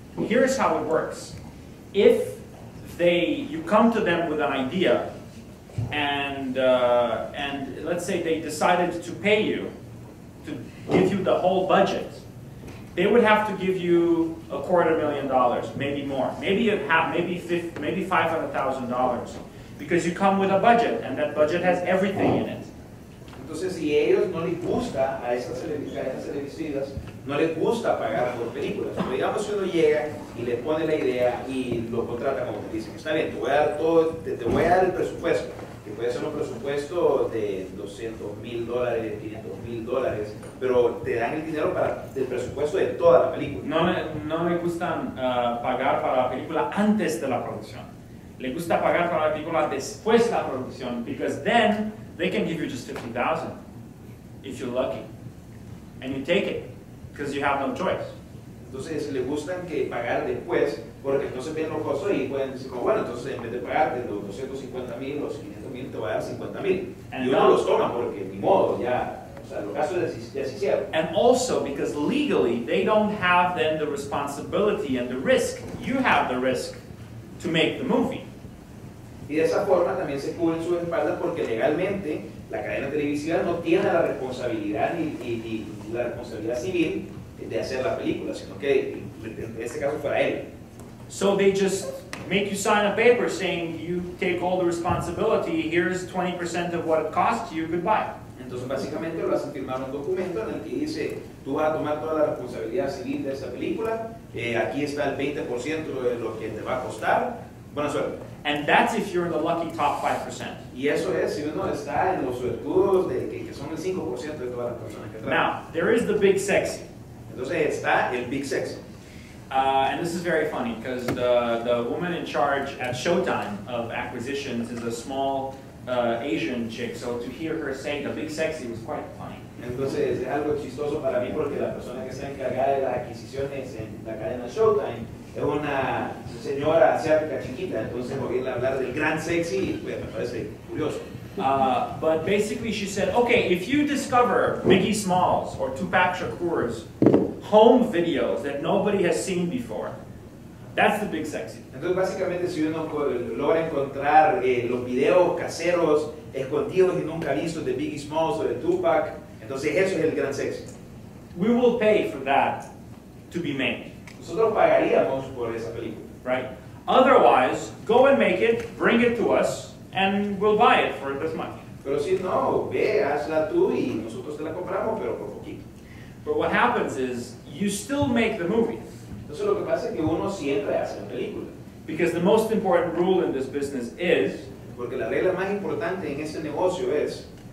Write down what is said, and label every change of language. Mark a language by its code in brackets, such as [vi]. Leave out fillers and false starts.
[en] Here's how it works. If they, you come to them with an idea, and let's say they decided to pay you, to give you the whole budget, they would have to give you $250,000, maybe more, maybe $500,000, because you come with a budget, and that budget has everything in it. [es] Entonces, si ellos no les gusta a esas televisivas, no les gusta pagar por películas. Pero digamos si uno llega y le pone la idea y lo contrata como te dicen, está bien, te voy a dar todo, te voy a dar el presupuesto, que puede ser un presupuesto de $200,000, $500,000, pero te dan el dinero para el presupuesto de toda la película. No le gustan pagar para la película antes de la producción. Le gusta pagar para la película después de la producción, [en] because then they can give you just $50,000 if you're lucky, and you take it because you have no choice. [es] Entonces le gustan que pagar después porque entonces vienen los costos y pueden decir como bueno entonces en vez de pagar de los 250,000 los 500,000 te va a dar 50,000 y uno los toma porque ni modo ya, o sea, en el caso de así sea. [en] And also because legally they don't have then the responsibility and the risk. You have the risk to make the movie. [es] Y de esa forma también se cubren sus espaldas porque legalmente la cadena televisiva no tiene la responsabilidad ni la responsabilidad civil de hacer la película, sino que en este caso fuera él. [en] So they just make you sign a paper saying you take all the responsibility, here's 20% of what it costs you, goodbye. [es] Entonces básicamente lo hacen firmar un documento en el que dice tú vas a tomar toda la responsabilidad civil de esa película, aquí está el 20% de lo que te va a costar, buena suerte. [en] And that's if you're in the lucky top 5%. [es] Y eso es si uno está en los suertudos de que son el 5% de todas las personas que trabajan. [en] Now, there is the big sexy. [es] Entonces está el big sexy. [en] And this is very funny because the woman in charge at Showtime of acquisitions is a small Asian chick. So to hear her say the big sexy was quite funny. [es] Entonces es algo chistoso para mí porque la persona que está encargada de las adquisiciones en la cadena Showtime es una señora asiática chiquita, entonces oírla hablar del gran sexy, pues me parece curioso. [en] But basically she said, okay, if you discover Biggie Smalls or Tupac Shakur's home videos that nobody has seen before, that's the big sexy. [es] Entonces básicamente si uno logra encontrar los videos caseros escondidos y nunca vistos de Biggie Smalls o de Tupac, entonces eso es el gran sexy. [en] We will pay for that to be made. [es] Nosotros pagaríamos por esa película. [en] Right. Otherwise, go and make it, bring it to us, and we'll buy it for this much. [es] Pero si no, ve, hazla tú y nosotros te la compramos, pero por poquito. [en] But what happens is, you still make the movie. [es] Entonces lo que pasa es que uno siempre hace la película. [en] Because the most important rule in this business is... [es] Porque la regla más importante en este negocio es...